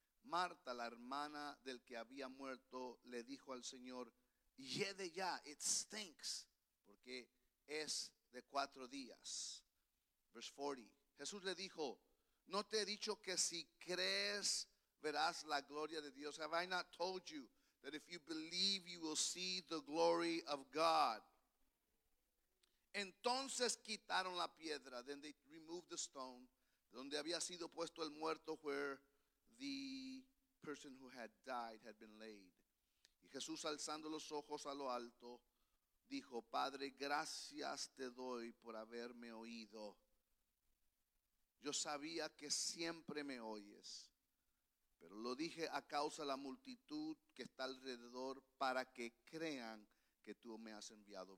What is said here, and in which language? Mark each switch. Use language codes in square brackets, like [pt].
[es] Marta, la hermana del que había muerto, le dijo al Señor, yede ya, [en] it stinks, [es] porque es de 4 días. Verse 40, Jesús le dijo, ¿no te he dicho que si crees verás la gloria de Dios? [en] Have I not told you that if you believe you will see the glory of God? [es] Entonces quitaron la piedra. [en] Then they removed the stone. [es] Donde había sido puesto el muerto, [en] where the person who had died had been laid. [es] Y Jesús, alzando los ojos a lo alto, dijo, Padre, gracias te doy por haberme oído. Yo sabía que siempre me oyes, pero lo dije a causa de la multitud que está alrededor para que crean que tú me has enviado.